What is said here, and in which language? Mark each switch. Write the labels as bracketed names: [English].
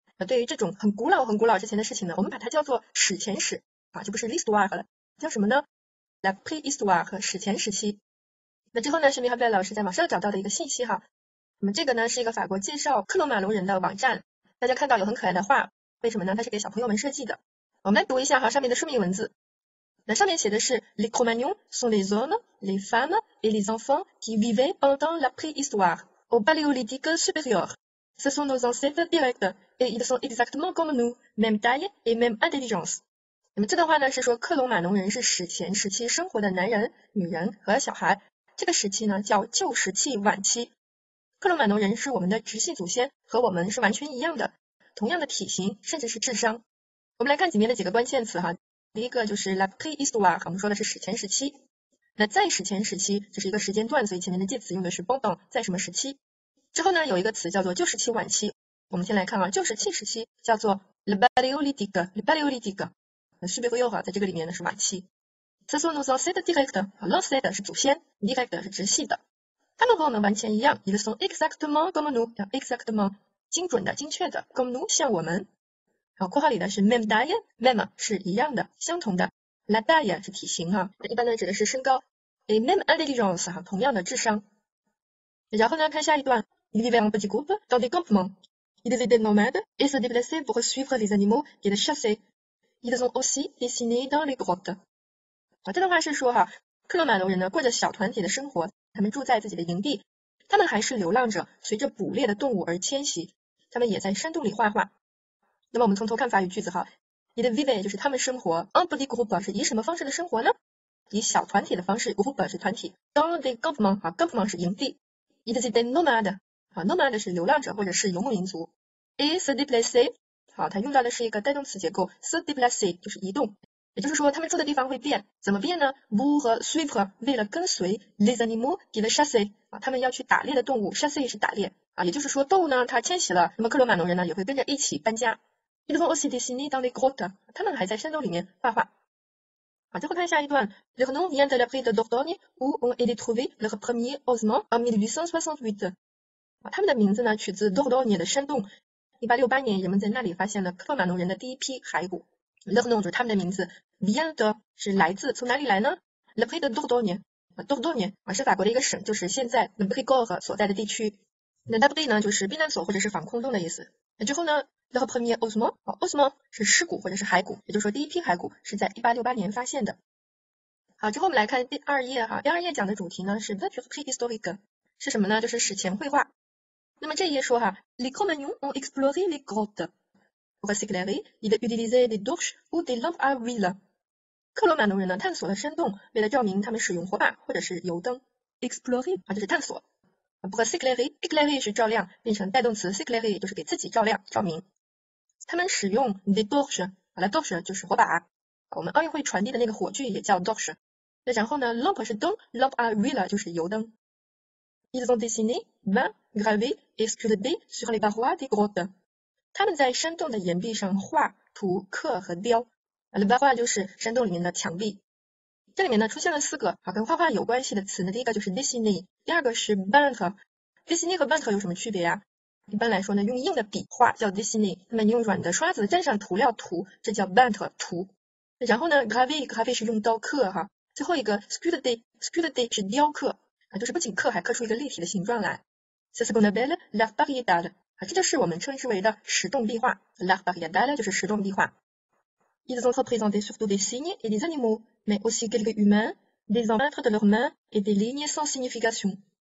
[Chinese] 对于这种很古老很古老之前的事情呢，我们把它叫做史前史啊，就不是 l'histoire 了，叫什么呢？ la préhistoire 和史前时期。那之后呢，是米哈贝老师在网上找到的一个信息哈。那么这个呢是一个法国介绍克罗马农人的网站，大家看到有很可爱的画，为什么呢？它是给小朋友们设计的。我们来读一下哈上面的说明文字。那上面写的是 [French] les Cro-Magnons sont les hommes, les femmes et les enfants qui vivaient pendant la préhistoire au paléolithique supérieur. Ce sont nos ancêtres directs et ils sont exactement comme nous, même taille et même intelligence. [Chinese] 那么这段话呢是说克罗马农人是史前时期生活的男人、女人和小孩，这个时期呢叫旧石器晚期。克罗马农人是我们的直系祖先，和我们是完全一样的，同样的体型甚至是智商。我们来看里面的几个关键词哈。第一个就是 la préhistoire， 我们说的是史前时期。那在史前时期这是一个时间段，所以前面的介词用的是 pendant， 在什么时期。之后呢有一个词叫做旧石器晚期，我们先来看啊，旧石器时期叫做 le paléolithique， le paléolithique supérieur 在这个里面呢是晚期。这是 nos ancêtres directs， l'ancêtre 是祖先， direct 是直系的，他们和我们完全一样， ils sont exactement comme nous， exactement 精准的精确的， comme nous 像我们。好，括号里的是 même taille， même 是一样的相同的， la taille 是体型哈，一般呢指的是身高， et même intelligence 哈，同样的智商。 [French] 然后呢看下一段， ils vivaient en petit groupe dans des campements， ils étaient nomades et se déplaçaient pour suivre les animaux et les chasser， ils ont aussi dessiné dans les grottes。 [Chinese] 好，这段话是说哈，克罗马农人呢过着小团体的生活，他们住在自己的营地，他们还是流浪者，随着捕猎的动物而迁徙，他们也在山洞里画画。那么我们从头看法语句子哈， ils vivaient 就是他们生活， en petit groupe 是以什么方式的生活呢？以小团体的方式， groupe 是团体， dans des campements， campements 是营地， ils étaient nomades， nomades 是流浪者或者是游牧民族， et se déplacer，他用到的是一个带动词结构， se déplacer 就是移动，也就是说他们住的地方会变，怎么变呢？ vous 和 suivre 为了跟随， les animaux qui le chassent，他们要去打猎的动物， chasser 是打猎啊，也就是说动物呢它迁徙了，那么克罗马农人呢也会跟着一起搬家。 [French] Ils ont aussi dessiné dans les grottes，他们还在山洞里面画画。好，最后看下一段， Leur nom vient de la prairie de Dordogne où ont été trouvés leur premier ossement en 1868。 [Chinese] 他们的名字呢取自 Dordogne 的山洞，1868年人们在那里发现了克罗马农人的第一批骸骨。 Leur nom 就是他们的名字， vient de 是来自，从哪里来呢？ La prairie de Dordogne， Dordogne 是法国的一个省，就是现在 Le Périgord 所在的地区。那 d'abri 呢就是避难所或者是防空洞的意思。那之后呢， le premier ossement， ossement 是尸骨或者是骸骨，也就是说第一批骸骨是在1868年发现的。好，之后我们来看第二页哈，第二页讲的主题呢是 peinture préhistorique，是什么呢？就是史前绘画。 [French] 那么这一页说哈， les Cro-Magnons ont exploré les grottes pour s'éclairer ils utilisaient des torches ou des lampes à huile，克罗马农人呢探索了山洞，为了照明他们使用火把或者是油灯。 [Chinese] explorer 就是探索，不过 s'éclairer 是照亮，变成带动词 s'éclairer 就是给自己照亮照明。他们使用 des torches， la torche 就是火把，我们奥运会传递的那个火炬也叫 torche。那然后呢， lampe 是灯， lampe à huile 就是油灯。 [French] ils ont dessiné vin gravé et sculpté sur les parois des grottes，他们在山洞的岩壁上画图刻和雕， les parois 就是山洞里面的墙壁。 [Chinese] 这里面呢出现了四个跟画画有关系的词呢，第一个就是 dessiné， 第二个是 peindre。 dessiné 和 peindre 有什么区别啊？一般来说呢用硬的笔画叫 dessiné， 那么你用软的刷子沾上涂料涂，这叫 peindre 涂。然后呢 gravé， gravé 是用刀刻哈。最后一个 sculpté， sculpté 是雕刻，就是不仅刻还刻出一个立体的形状来。 [French] c'est ce qu'on appelle l'art pariétal，这就是我们称之为的石洞壁画， l'art pariétal 就是石洞壁画。Ils ont représenté surtout des signes et des animaux, mais aussi quelques humains, des empreintes de leurs mains et des lignes sans signification.